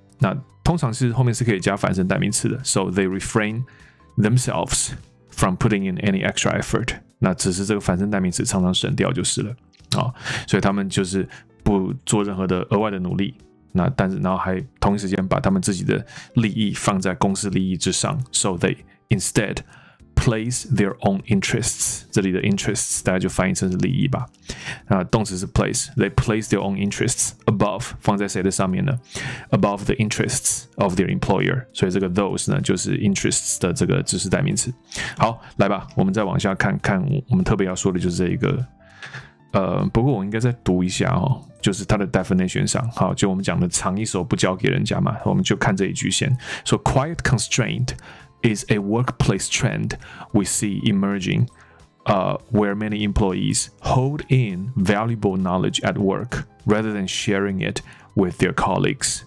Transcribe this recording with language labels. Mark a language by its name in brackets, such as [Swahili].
[Chinese] 那通常是后面是可以加反身代名词的。 [English] So they refrain themselves from putting in any extra effort. [Chinese] 那只是这个反身代名词常常省掉就是了、所以他们就是不做任何的额外的努力。那但是然后还同一时间把他们自己的利益放在公司利益之上。 [English] So they... Instead, place their own interests. [Chinese] 这里的 interests 大家就翻译成是利益吧。那动词是 place. [English] They place their own interests above. [Chinese] 放在谁的上面呢？ [English] Above the interests of their employer. [Chinese] 所以这个 those 呢，就是 interests 的这个知识代名词。好，来吧，我们再往下看看。我们特别要说的就是这一个。不过我应该再读一下哦，就是它的 definition 上。好，就我们讲的藏一手不交给人家嘛，我们就看这一句先。 [English] So quiet constraint. Is a workplace trend we see emerging, where many employees hold in valuable knowledge at work rather than sharing it with their colleagues.